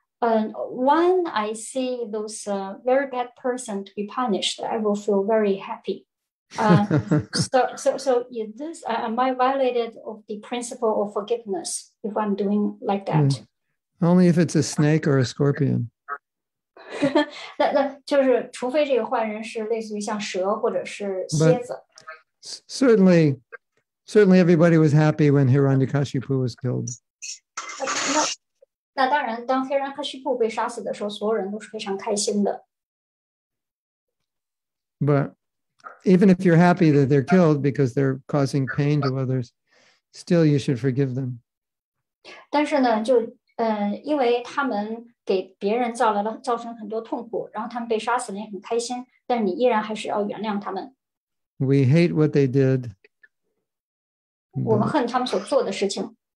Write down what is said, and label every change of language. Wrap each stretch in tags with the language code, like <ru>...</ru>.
<en>When I see those very bad person to be punished, I will feel very happy. am I violated of the principle of forgiveness if I'm doing like that? Mm. Only if it's a snake or a scorpion.</en> <zh>那就是除非这个坏人是类似于像蛇或者是蝎子。</zh> <en>But certainly everybody was happy when Hiranyakashipu was killed.</en> <zh>那当然当Hiranyakashipu被杀死的时候，所有人都是非常开心的。</zh> <en>But even if you're happy that they're killed because they're causing pain to others, still you should forgive them.</en> <zh>但是呢，就因为他们给别人造成很多痛苦，然后他们被杀死了也很开心，但是你依然还是要原谅他们。</zh> <en>We hate what they did.</en> <zh>我们恨他们所做的事情。</zh>